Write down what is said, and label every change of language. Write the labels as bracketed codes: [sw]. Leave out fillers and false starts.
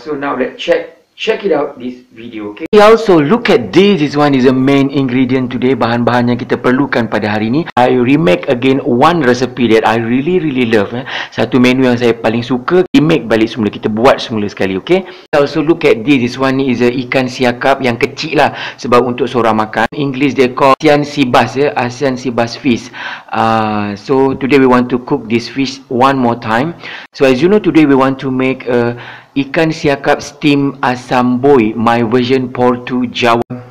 [en] So, now let's check it out this video, okay? Hey, also look at this. This one is the main ingredient today. [ms] Bahan-bahan yang kita perlukan pada hari ini. [en] I remake again one recipe that I really love. [ms] Satu menu yang saya paling suka. Remake balik semula. Kita buat semula sekali, okay? [en] Hey, also look at this. This one is a [ms] ikan siakap yang kecil lah. Sebab untuk seorang makan. [en] English they call asian seabass, asian seabass fish. So today we want to cook this fish one more time. So as you know, today we want to make a ikan siakap steam asam boi, my version Portu Jawa.